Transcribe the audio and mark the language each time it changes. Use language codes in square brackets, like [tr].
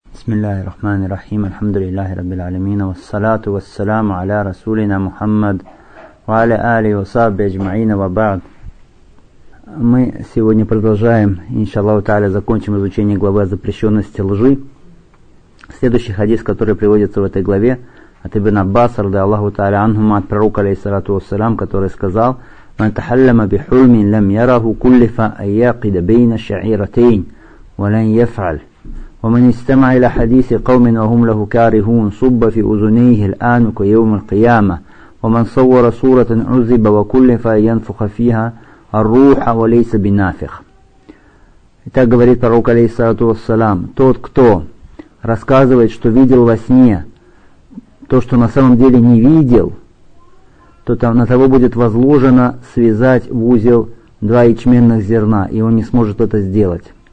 [ar] بسم الله الرحمن الرحيم الحمد لله رب العالمين والصلاة والسلام على رسولنا محمد وعلى آله وصحبه أجمعين وبعد. [ru] Мы сегодня продолжаем, иншаллаху тааля, закончим изучение главы о запрещенности лжи. Следующий хадис, который приводится в этой главе, от Ибн Аббаса, [ar] رضي الله تعالى عنهما, [ru] от пророка, алейхиссалату вассалям, который сказал: [ar] «Ман тахаллама бихульмин лам яраху куллифа айякида бейна шаиратейн, валян яфаль». ومن استمع إلى حديث قوم وهم له كارهون صب في أذنيه الآن كيوم القيامة ومن صور صورة عذب وكلف ينفخ فيها الروح وليس بنافخ. [ru] Итак, говорит пророк, алейхиссалату вассалам, тот, кто рассказывает, что видел во сне то, что на самом деле не видел, то там на того будет возложено связать в узел два ячменных зерна, и он не сможет это сделать.